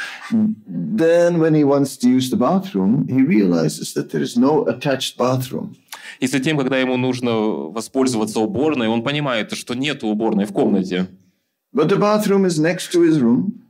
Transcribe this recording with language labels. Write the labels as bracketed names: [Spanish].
[English] Then when he wants to use the bathroom, he realizes that there is no attached bathroom. [Russian] И затем, когда ему нужно воспользоваться уборной, он понимает, что нет уборной в комнате. [English] But the bathroom is next to his room.